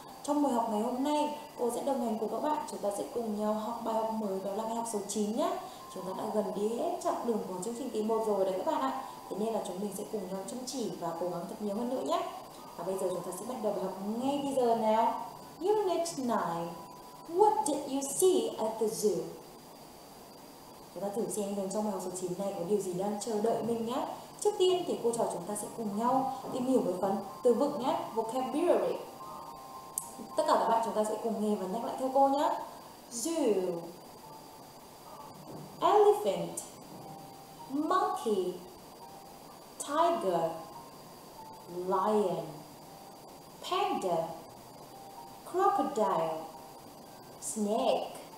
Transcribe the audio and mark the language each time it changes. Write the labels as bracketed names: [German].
[Vietnamese] Trong buổi học ngày hôm nay, cô sẽ đồng hành cùng các bạn, chúng ta sẽ cùng nhau học bài học mới, đó là bài học số 9 nhé. Chúng ta đã gần đi hết chặng đường của chương trình tiếng 1 rồi đấy các bạn ạ. Thế nên là chúng mình sẽ cùng nhau chăm chỉ và cố gắng thật nhiều hơn nữa nhé. Và bây giờ chúng ta sẽ bắt đầu học ngay bây giờ nào. [English] Unit 9. What did you see at the zoo? [Vietnamese] Chúng ta thử xem đứng trong bài học số 9 này có điều gì đang chờ đợi mình nhé. Trước tiên thì cô trò chúng ta sẽ cùng nhau tìm hiểu một phần từ vựng nhé, [English] vocabulary. [Vietnamese] Tất cả các bạn chúng ta sẽ cùng nghe và nhắc lại theo cô nhé. [English] Zoo, elephant, monkey, tiger, lion, panda, crocodile, snake,